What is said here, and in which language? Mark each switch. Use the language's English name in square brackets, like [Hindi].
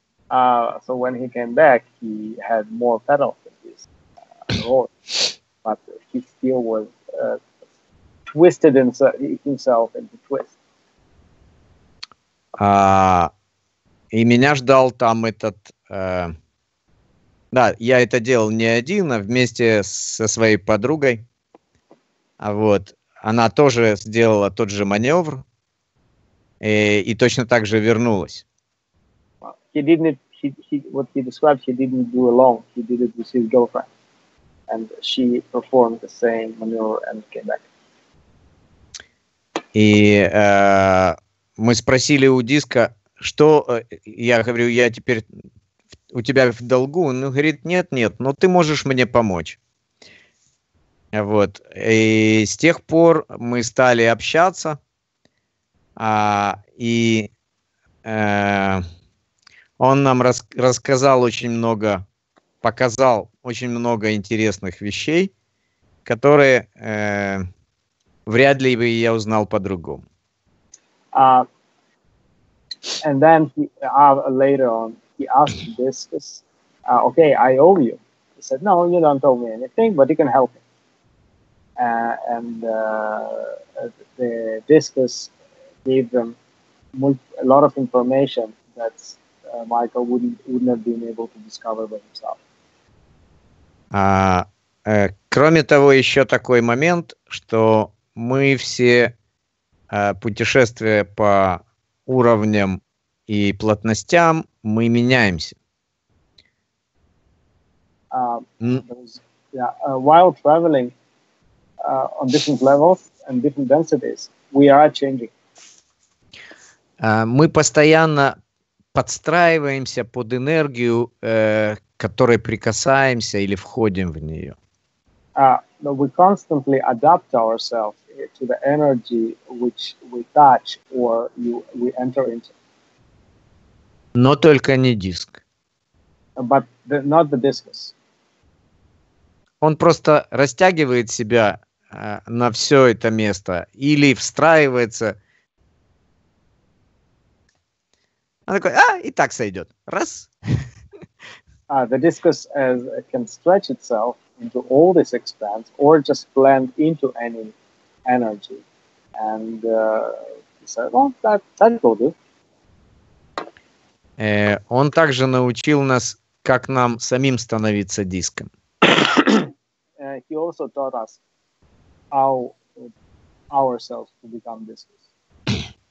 [English] So when he came back, he had more petals than this rod, but he still was twisted himself into twist. [Russian] И меня ждал там этот. Да, я это делал не один, а вместе со своей подругой. А вот она тоже сделала тот же маневр и точно так же вернулась. [English] He didn't. He what he described. He didn't do alone. He did it with his girlfriend, and she performed the same maneuver and came back. [Russian] И мы спросили у диска, что я говорю, я теперь у тебя в долгу. Он говорит, нет, нет, но ты можешь мне помочь. Вот. И с тех пор мы стали общаться, он нам рассказал очень много, показал очень много интересных вещей, которые вряд ли бы я узнал по-другому. [English] And then later on, he asked Discus, okay, I owe you. He said, no, you don't owe me anything, but you can help me. The Discus gave them a lot of information that Michael wouldn't have been able to discover by himself. [Russian] Кроме того, еще такой момент, что мы все путешествия по уровням и плотностям, мы меняемся. [English] While traveling on different levels and different densities, we are changing. [Russian] Мы постоянно подстраиваемся под энергию, которой прикасаемся или входим в нее. [English] We constantly adapt ourselves to the energy which we touch or we enter into. [Russian] Но только не диск. [English] But not the discus. [Russian] Он просто растягивает себя на все это место или встраивается. Он такой, и так сойдет. Раз. [English] The discus can stretch itself into all these expands or just blend into any energy. And he said, well, that will do. [Russian] Он также научил нас, как нам самим становиться диском. [English] He also taught us how ourselves to become discs.